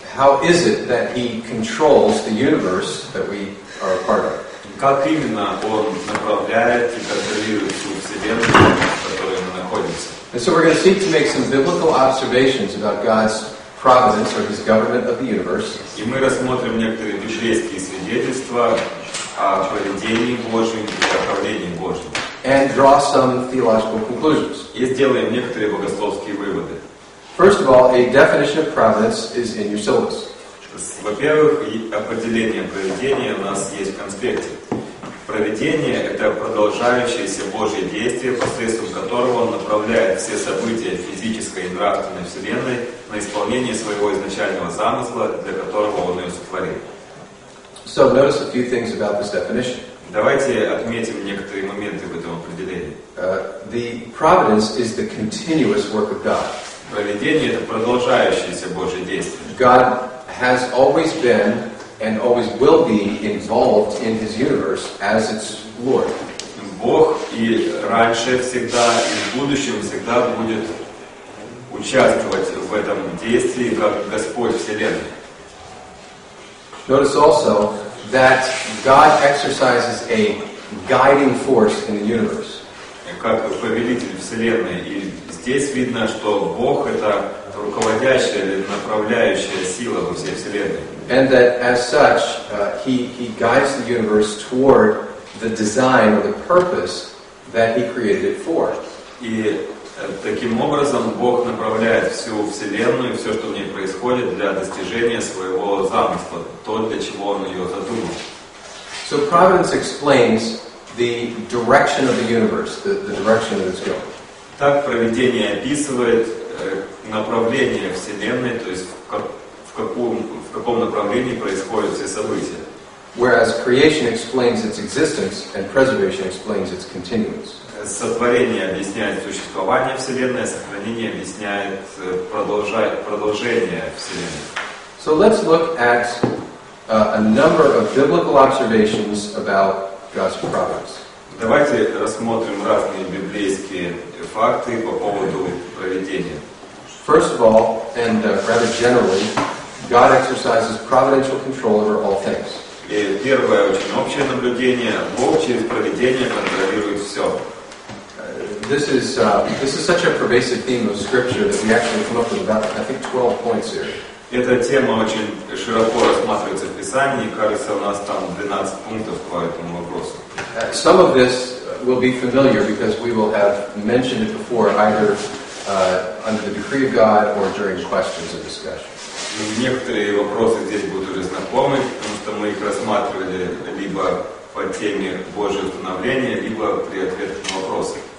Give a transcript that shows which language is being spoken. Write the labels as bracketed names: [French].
[English] How is it that he controls the universe that we are a part of? [Russian] Как именно он направляет и контролирует всю Вселенную, в которой мы находимся? [English] And so we're going to seek to make some biblical observations about God's providence or his government of the universe. [Russian] И мы рассмотрим некоторые библейские свидетельства о проведении Божьем и о правлении Божьем. [English] And draw some theological conclusions. [Russian] И сделаем некоторые богословские выводы. [English] First of all, a definition of providence is in your syllabus. [Russian] Во-первых, определение проведения у нас есть в конспекте. Проведение — это продолжающееся Божье действие, посредством которого Он направляет все события физической и нравственной Вселенной на исполнение своего изначального замысла, для которого Он ее сотворил. [English] So, notice a few things about this definition. [Russian] Давайте отметим некоторые моменты в этом определении. [English] The providence is the continuous work of God. [Russian] Проведение — это продолжающееся Божье действие. [English] God has always been and always will be involved in his universe as its Lord. [Russian] Бог и раньше всегда, и в будущем всегда будет участвовать в этом действии как Господь Вселенной. [English] Notice also that God exercises a guiding force in the universe. [Russian] Как повелитель Вселенной. И здесь видно, что Бог — это руководящая или направляющая сила во всей Вселенной. [English] And that as such, he guides the universe toward the design or the purpose that he created it for. [Russian] И таким образом Бог направляет всю Вселенную, все, что в ней происходит, для достижения своего замысла, то, для чего он ее задумал. [English] So providence explains the direction of the universe, the direction that it's going. [Russian] Так провидение описывает направление Вселенной, то есть в каком направлении происходят все события. [English] Whereas creation explains its existence and preservation explains its continuance. [Russian] Сотворение объясняет существование Вселенной, а сохранение объясняет продолжение Вселенной. [English] So let's look at a number of biblical observations about God's providence. [Russian] Давайте рассмотрим разные библейские факты по поводу провидения. [English] First of all, and rather generally, God exercises providential control over all things. [Russian] И первое очень общее наблюдение: Бог через провидение контролирует все. [English] This is such a pervasive theme of Scripture that we actually come up with about, I think, 12 points here. [Russian] Эта тема очень широко рассматривается в Писании, и кажется, у нас там 12 пунктов по этому вопросу. [English] Some of this will be familiar because we will have mentioned it before, either under the decree of God or during questions or discussion. [Russian] Некоторые вопросы здесь будут уже знакомы, потому что мы их рассматривали либо по теме Божьего установления, либо при ответах на вопросы.